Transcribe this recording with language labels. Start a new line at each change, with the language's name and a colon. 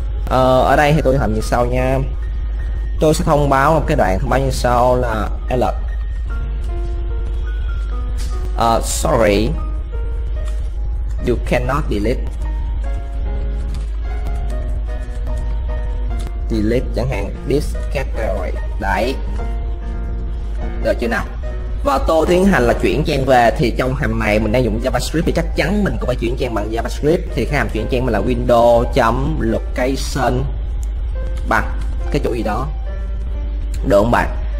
Vietnamese: Ở đây thì tôi làm như sau nha. Tôi sẽ thông báo một cái đoạn thông báo như sau là alert.
English: Sorry. You cannot delete
Vietnamese: chẳng hạn
English: this category.
Vietnamese: Đấy, được chưa nào? Và tôi tiến hành là chuyển trang về. Thì trong hàm này mình đang dùng JavaScript thì chắc chắn mình cũng phải chuyển trang bằng JavaScript. Thì cái hàm chuyển trang mình là window.location bằng cái chỗ gì đó, được không bạn?